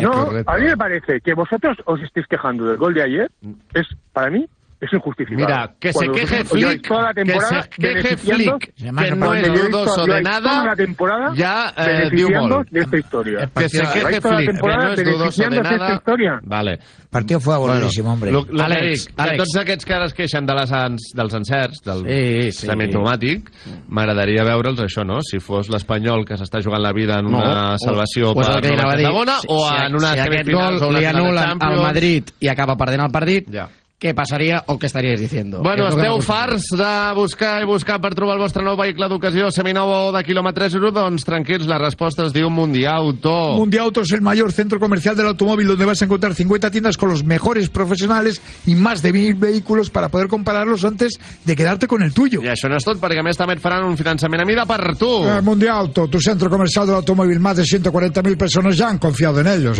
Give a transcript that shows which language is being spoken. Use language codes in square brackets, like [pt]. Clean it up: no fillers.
[es] No, a mí me parece que vosotros os estéis quejando del gol de ayer. Es, para mí... Es injustificable. Mira, que cuando se queje Flick, que se queje Flick, que no es dudoso de nada, ya dio gol. Que se queje Flick, que no es dudoso de nada. Vale. El partido fue aburridísimo, bueno, hombre. Alex. [ca] Tots aquests que ara es queixen dels encerts, del semiautomàtic, m'agradaria veure'ls això, no? Si fos l'Espanyol que s'està jugant la vida en una salvació per la Tarragona si aquest gol li anulen al Madrid i acaba perdent el partit, ja. Què passaria o què estaries dient? Bueno, esteu farts de buscar i buscar per trobar el vostre nou vehicle d'ocasió seminou o de quilòmetre zero? Doncs tranquils, la resposta es diu Mundiauto. [es] Mundiauto es el mayor centro comercial del automóvil donde vas a encontrar 50 tiendas con los mejores profesionales y más de 1.000 vehículos para poder compararlos antes de quedarte con el tuyo. [ca] I això no és tot, perquè a més també et faran un finançament a mida per tu. [es] Mundiauto, tu centro comercial del automóvil, más de 140.000 [ca] persones ja [es] han confiado en ellos.